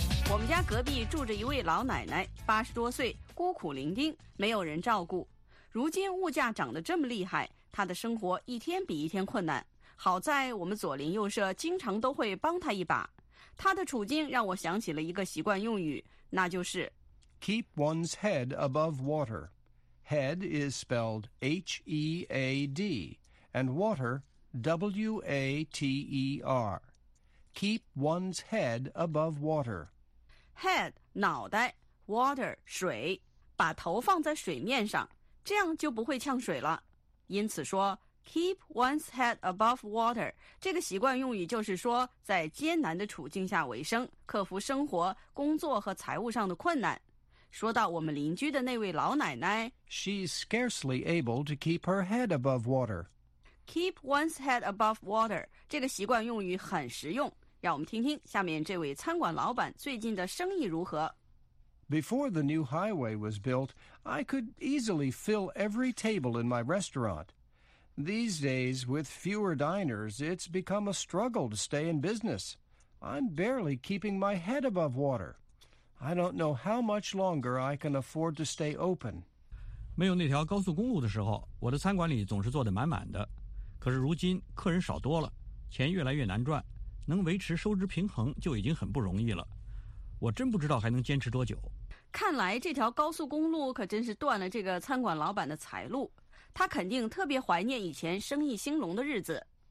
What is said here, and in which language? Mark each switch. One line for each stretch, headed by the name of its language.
Chinese: 我们家隔壁住着一位老奶奶，80多岁，孤苦伶仃，没有人照顾。如今物价涨得这么厉害，她的生活一天比一天困难。好在我们左邻右舍经常都会帮她一把。她的处境让我想起了一个习惯用语，那就是
English: Keep one's head above water. Head is spelled H-E-A-D, and water, W-A-T-E-R. Keep one's head above water.
Chinese: Head, 脑袋 water, 水把头放在水面上这样就不会呛水了。因此说
English: keep one's head above water,
Chinese: 这个习惯用语就是说在艰难的处境下维生，克服生活、工作和财务上的困难。说到我们邻居的那位老奶奶
English: She's scarcely able to keep her head above water. Keep one's head above water,
Chinese: 这个习惯用语很实用。让我们听听下面这位餐馆老板最近的生意如何。
English: Before the new highway was built, I could easily fill every table in my restaurant. These days, with fewer diners, it's become a struggle to stay in business. I'm barely keeping my head above water. I don't know how much longer I can afford to stay open.
Chinese: 没有那条高速公路的时候，我的餐馆里总是坐得满满的。可是如今客人少多了，钱越来越难赚。能维持收支平衡就已经很不容易了，我真不知道还能坚持多久。看来这条高速公路可真是断了这个餐馆老板的财路，他肯定特别怀念以前生意兴隆的日子。